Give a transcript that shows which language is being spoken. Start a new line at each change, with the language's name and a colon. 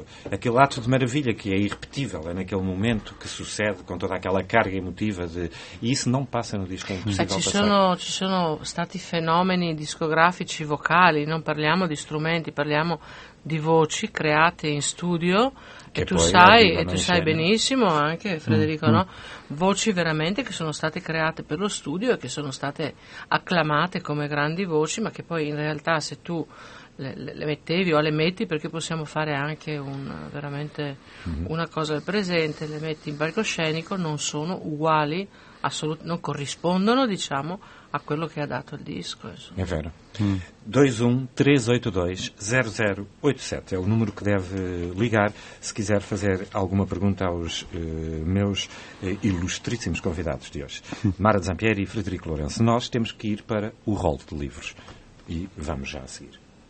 Portuguese: Aquele ato de maravilha que é irrepetível, é naquele momento que sucede com toda aquela carga emotiva de, e isso não passa no disco, é impossível
Italian: passare. Ci sono stati fenomeni discografici vocali, non parliamo di strumenti, parliamo di voci create in studio, che e tu sai, e tu sai benissimo anche Federico, no? Voci veramente che sono state create per lo studio e che sono state acclamate come grandi voci, ma che poi in realtà se tu le mettevi o le metti, perché possiamo fare anche una cosa del presente, le metti in palcoscenico, non sono uguali, non corrispondono, diciamo, a quello che ha dato il disco. Insomma. È vero.
Portuguese: 21 382 0087
Italian: è il numero che deve
Portuguese: ligare se quiser fazer alguma pergunta aos meus
Italian: ilustrissimi
Portuguese: convidados
Italian: di oggi,
Portuguese: Mara Zampieri e Frederico Lourenço. Nós temos que ir para o rol de livros e vamos já a seguir.